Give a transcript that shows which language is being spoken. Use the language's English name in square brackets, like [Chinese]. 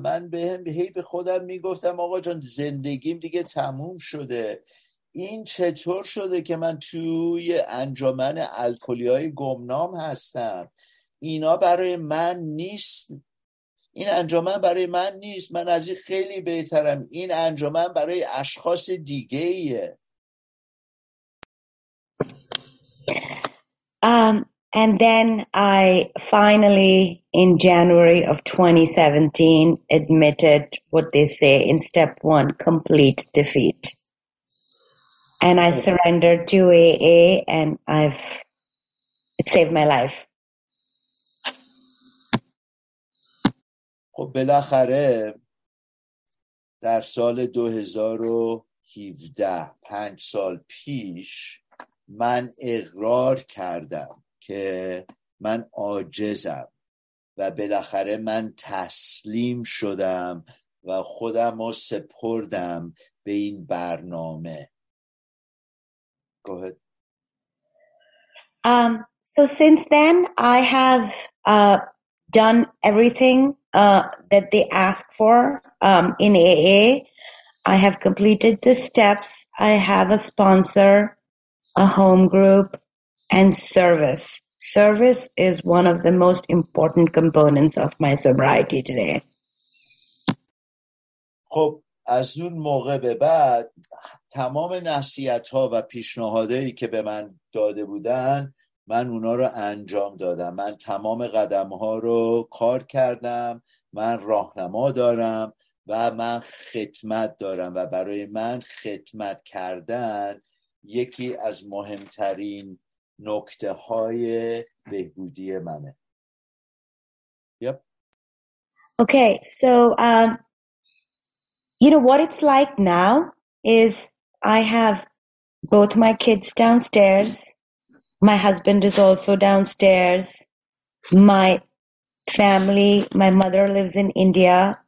[Persian] من به خودم میگفتم آقا جان زندگیم دیگه تموم شده، این چطور شده که من توی انجمن الکلی‌های گمنام هستم؟ اینا برای من نیست، این انجمن برای من نیست، من از این خیلی بهترم، این انجمن برای اشخاص دیگه ایه. [English] And then I finally in January of 2017 admitted what they say in step one, complete defeat. And I surrendered to AA and it saved my life. [Persian] خب بالاخره در سال 2017، 5 سال پیش، من اقرار کردم که من عاجزم و بالاخره من تسلیم شدم و خودم رو سپردم به این برنامه. [English] So since then I have done everything that they ask for in AA. I have completed the steps. I have a sponsor, a home group, and service. Service is one of the most important components of my sobriety today. [Persian] خب از اون موقع به بعد تمام نصیحت‌ها و پیشنهادهایی که به من داده بودن من اونا رو انجام دادم. من تمام قدم‌ها رو کار کردم. من راهنما دارم و من خدمت دارم و برای من خدمت کردن یکی از مهمترین نکته های بهبودی منه. [English] Yep. Okay, so you know what it's like now is I have both my kids downstairs. My husband is also downstairs. My family, my mother lives in India.